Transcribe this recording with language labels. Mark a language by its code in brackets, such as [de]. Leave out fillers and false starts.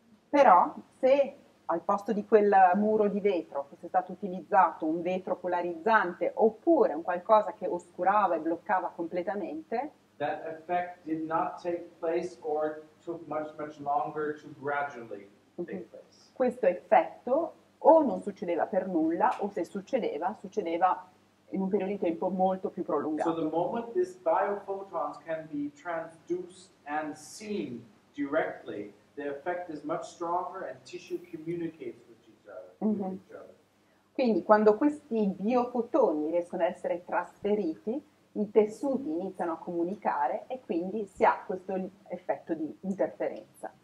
[it] Però se al posto di quel muro di vetro fosse stato utilizzato un vetro polarizzante oppure un qualcosa che oscurava e bloccava completamente, [en] that effect did not take place or took much, much longer to gradually take place. [it] Questo effetto o non succedeva per nulla, o se succedeva, succedeva in un periodo di tempo molto più prolungato. [en] So the moment these biophotons can be transduced and seen directly, the effect is much stronger and tissue communicates with each other. [it] Quindi quando questi biofotoni riescono ad essere trasferiti, i tessuti iniziano a comunicare e quindi si ha questo effetto di interferenza.